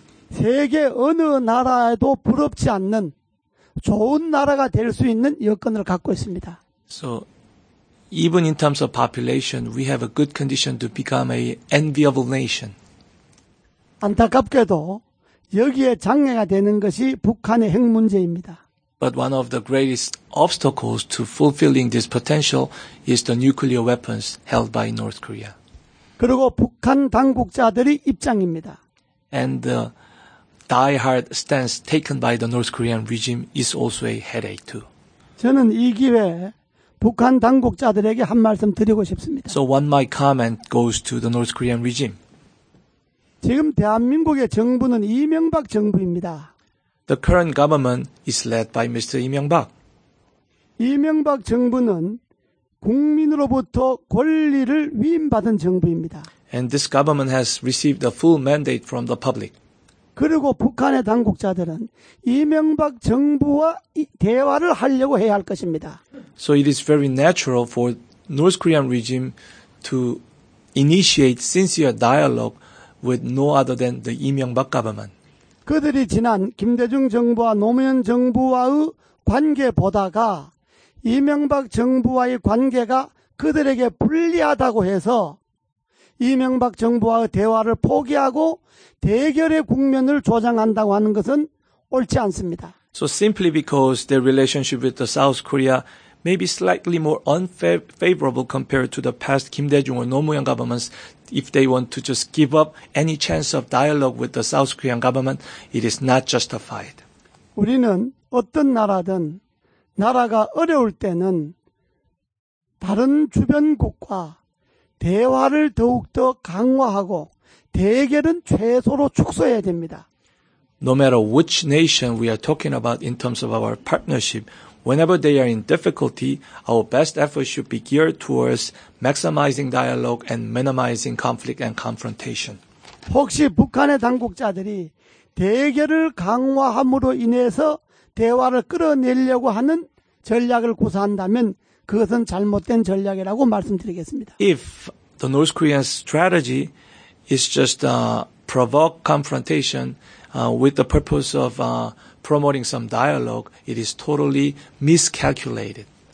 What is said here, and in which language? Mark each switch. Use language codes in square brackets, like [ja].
[ko] 세계 어느 나라에도 부럽지 않는 좋은 나라가 될 수 있는 여건을 갖고 있습니다. [en] So even in terms of population, we have a good condition to become an enviable nation. [ko] 안타깝게도 여기에 장애가 되는 것이 북한의 핵 문제입니다. [en] But one of the greatest obstacles to fulfilling this potential is the nuclear weapons held by North Korea. [ko] 그리고 북한 당국자들의 입장입니다. [en] And the die-hard stance taken by the North Korean regime is also a headache too. [ko] 저는 이 기회에 북한 당국자들에게 한 말씀 드리고 싶습니다. [en] So one my comment goes to the North Korean regime. [ko] 지금 대한민국의 정부는 이명박 정부입니다. [en] The current government is led by Mr. 이명박. [ko] 이명박 정부는 국민으로부터 권리를 위임받은 정부입니다. [en] And this government has received a full mandate from the public. [ko] 그리고 북한의 당국자들은 이명박 정부와 대화를 하려고 해야 할 것입니다. [en] So it is very natural for North Korean regime to initiate sincere dialogue with no other than the 이명박 government. [ko] 그들이 지난 김대중 정부와 노무현 정부와의 관계 보다가 이명박 정부와의 관계가 그들에게 불리하다고 해서 이명박 정부와의 대화를 포기하고 대결의 국면을 조장한다고 하는 것은 옳지 않습니다. [en] So simply because their relationship with the South Korea may be slightly more unfavorable compared to the past Kim Dae-jung or Nomuyan governments, if they want to just give up any chance of dialogue with the South Korean government, it is not justified. [ko] 우리는 어떤 나라든 나라가 어려울 때는 다른 주변국과 대화를 더욱더 강화하고 대결은 최소로 축소해야 됩니다. [en] No matter which nation we are talking about in terms of our partnership, Whenever they are in difficulty, our best effort should be geared towards maximizing dialogue and minimizing conflict and confrontation. [ko] 혹시 북한의 당국자들이 대결을 강화함으로 인해서 대화를 끌어내려고 하는 전략을 구사한다면 그것은 잘못된 전략이라고 말씀드리겠습니다. [en] If the North Korean strategy is just provoke confrontation with the purpose of promoting some dialogue, it is totally miscalculated.